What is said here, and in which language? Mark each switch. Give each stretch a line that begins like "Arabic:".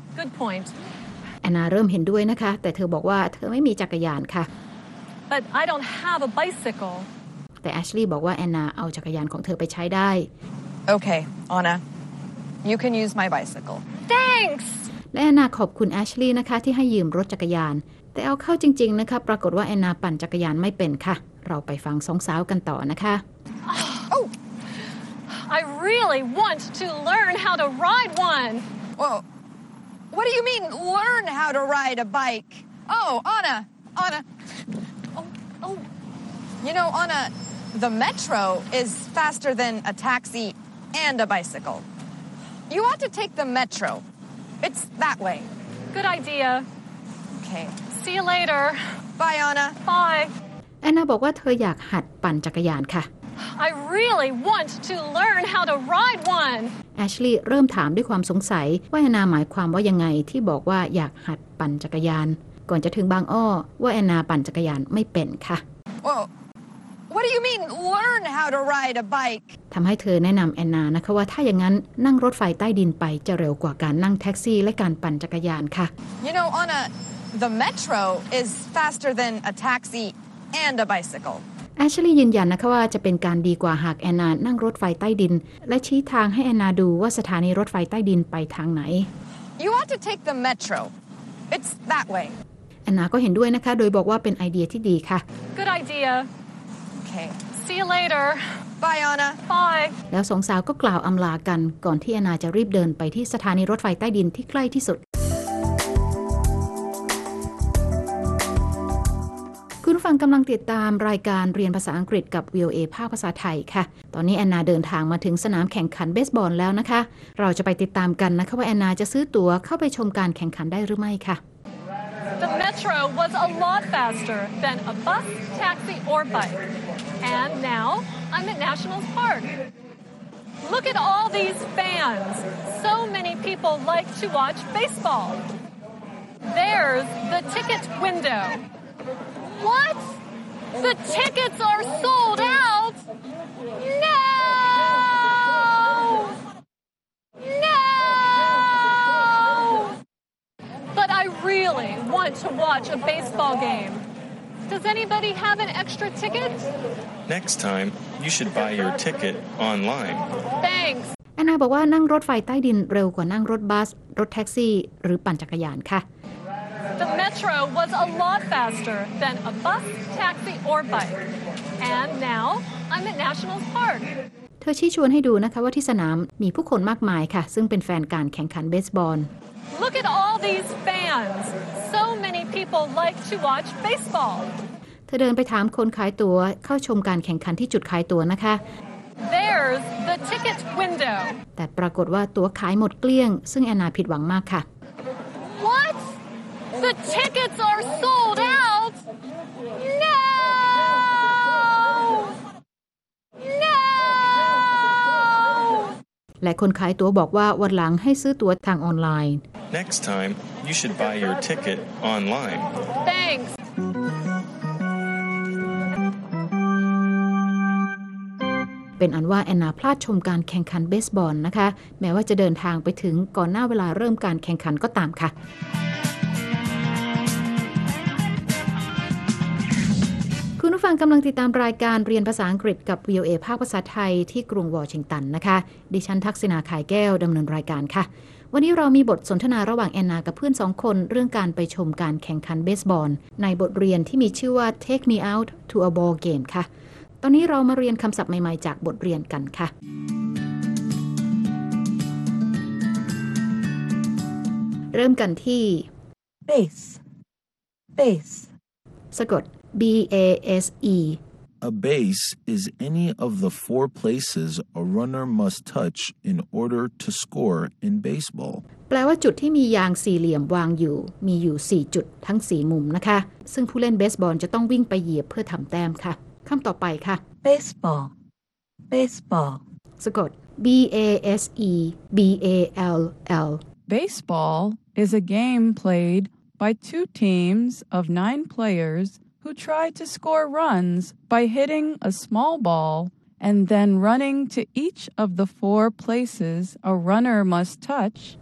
English: Good point.
Thai: แอนนาเริ่มเห็นด้วยนะคะแต่เธอบอกว่าเธอไม่มีจักรยานค่ะ
English: But I don't have a bicycle.
Thai: แต่แอชลีย์บอกว่าแอนนาเอาจักรยานของเธอไปใช้ได้
English: Okay, Anna. You can use my bicycle. Thanks.
Thai: และแอนนาขอบคุณแอชลีย์นะคะที่ให้ยืมรถจักรยานแต่เอาเข้าจริงๆนะคะปรากฏว่าแอนนาปั่นจักรยานไม่เป็นค่ะเราไปฟังสองสาวกันต่อนะคะ
English: Oh. I really want to learn how to ride one. Well, what do you mean learn how to ride a bike? Oh, Anna. Oh. You know, Anna, the metro is faster than a taxi and a bicycle. You ought to take the metro. It's that way. Good idea. Okay. See you later. Bye, Anna. Bye.
Thai: Anna บอกว่าเธออยากหัดปั่นจักรยานค่ะ
English: I really want to learn how to ride one.
Thai: Ashley เริ่มถามด้วยความสงสัยว่าแอนนาหมายความว่ายังไงที่บอกว่าอยากหัดปั่นจักรยานก่อนจะถึงบางอ้อว่าแอนนาปั่นจักรยานไม่เป็นค่ะ
English: Well, what do you mean learn how to ride a bike?
Thai: ทำให้เธอแนะนำแอนนานะคะว่าถ้าอย่างนั้นนั่งรถไฟใต้ดินไปจะเร็วกว่าการนั่งแท็กซี่และการปั่นจักรยานค่ะ
English: You know, Anna, the metro is faster than a taxi and a bicycle.
Thai: Ashley ยืนยันนะคะว่าจะเป็นการดีกว่าหากแอนนานั่งรถไฟใต้ดินและชี้ทางให้แอนนาดูว่าสถานีรถไฟใต้ดินไปทางไหน
English: You ought to take the metro. It's that way.
Thai: แอนนาก็เห็นด้วยนะคะโดยบอกว่าเป็นไอเดียที่ดีค่ะ
English: Good idea. Okay. See you later. Bye, Anna. Bye.
Thai: แล้วสองสาวก็กล่าวอำลากันก่อนที่แอนนาจะรีบเดินไปที่สถานีรถไฟใต้ดินที่ใกล้ที่สุดคุณฟังกำลังติดตามรายการเรียนภาษาอังกฤษกับ VOA ภาคภาษาไทยค่ะตอนนี้แอนนาเดินทางมาถึงสนามแข่งขันเบสบอลแล้วนะคะเราจะไปติดตามกันนะคะว่าแอนนาจะซื้อตั๋วเข้าไปชมการแข่งขันได้หรือไม่ค่ะ
English: The metro was a lot faster than a bus, taxi, or bike. And now, I'm at Nationals Park. Look at all these fans. So many people like to watch baseball. There's the ticket window. What? The tickets are sold out? No! No! But I really want want to watch a baseball game. Does anybody have an extra ticket? Next time, you should buy your ticket online. Thanks.
Thai: แอนนาบอกว่านั่งรถไฟใต้ดินเร็วกว่านั่งรถบัสรถแท็กซี่หรือปั่นจักรยานค่ะ
English: The metro was a lot faster than a bus, taxi or bike. And now, I'm at National Park.
Thai: เธอชี้ชวนให้ดูนะคะว่าที่สนามมีผู้คนมากมายค่ะซึ่งเป็นแฟนการแข่งขันเบสบอล
English: Look at all these fans. So many people like to watch baseball.
Thai: เธอเดินไปถามคนขายตั๋วเข้าชมการแข่งขันที่จุดขายตั๋วนะคะ
English: There's the ticket window.
Thai: แต่ปรากฏว่าตั๋วขายหมดเกลี้ยงซึ่งแอนนาผิดหวังมากค่ะ
English: What? The tickets are sold out. No!
Thai: และคนขายตั๋วบอกว่าวันหลังให้ซื้อตั๋วทางออนไลน์
English: Next time you should buy your ticket online. Thanks.
Thai: เป็นอันว่าแอนนาพลาดชมการแข่งขันเบสบอลนะคะแม้ว่าจะเดินทางไปถึงก่อนหน้าเวลาเริ่มการแข่งขันก็ตามค่ะ คุณผู้ฟังกำลังติดตามรายการเรียนภาษาอังกฤษกับ VOA ภาคภาษาไทยที่กรุงวอชิงตันนะคะดิฉันทักษิณาขายแก้วดำเนินรายการค่ะวันนี้เรามีบทสนทนาระหว่างแอนนากับเพื่อน2คนเรื่องการไปชมการแข่งขันเบสบอลในบทเรียนที่มีชื่อว่า Take Me Out to a Ball Game ค่ะตอนนี้เรามาเรียนคำศัพท์ใหม่ๆจากบทเรียนกันค่ะเริ่มกันที่
English: base
Thai: สะกดBASE
English: A base is any of the four places a runner must touch in order to score in baseball.
Thai: แปลว่าจุดที่มียางสี่เหลี่ยมวางอยู่มีอยู่4จุดทั้ง4มุมนะคะซึ่งผู้เล่นเบสบอลจะต้องวิ่งไปเหยียบเพื่อทำแต้มค่ะคำต่อไปค่ะ
English: Baseball Baseball
Thai: สะกด BASE BALL
English: Baseball is a game played by two teams of 9 playersWho try to score runs by hitting a small ball and then running to each of the four places a runner must touch.